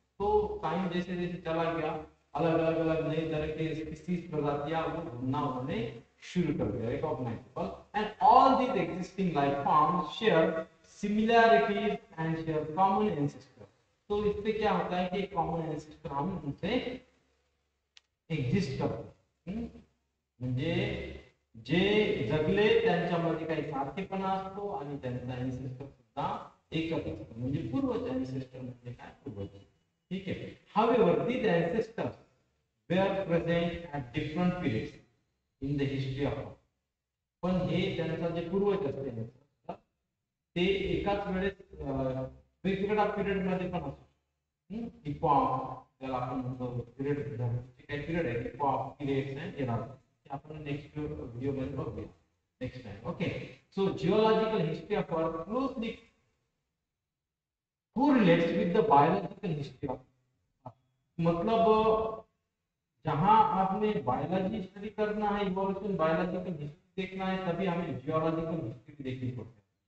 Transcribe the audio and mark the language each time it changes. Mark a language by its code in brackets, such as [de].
[hi] तो टाइम जैसे जैसे चला गया अलग अलग अलग नए तरह के स्पीसीज प्रजातियां वो ढूंढना उन्होंने शुरू कर दिया, recognisable. [en] And all the existing life forms share similarities and share common ancestor. [hi] तो इससे क्या होता है कि कॉमन एंसेस्टर हम उनसे एग्जिस्ट करते हैं. [mr] जे जगले त्यांच्यामध्ये काही सारखेपणा असतो आणि त्यांचा एनसेस्टर सुद्धा एकच असतो, म्हणजे पूर्वज. एनसेस्टर म्हणजे काय? पूर्वज. ठीक आहे, [en] however these ancestors were present at different periods in the history of, [mr] पण हे त्यांचा जे पूर्वज असते ते एकाच वेळेस वेगवेगळ्या पिरियड मध्ये पण असतो. इपॉक त्याला आपण म्हणतो, पिरियड सुद्धा काही पिरियड आहे, इपॉक पिरियड्स आहे येणार. आपण नेक्स्ट व्हिडिओ मध्ये बघू next time. [en] Okay, so geological history of earth closely correlates with the biological history of. [hi] मतलब जहां आपने बायोलॉजी स्टडी करना है, इवोल्यूशन बायोलॉजिकल हिस्ट्री देखना है, तभी हमें जियोलॉजिकल हिस्ट्री भी देखनी पड़ती है.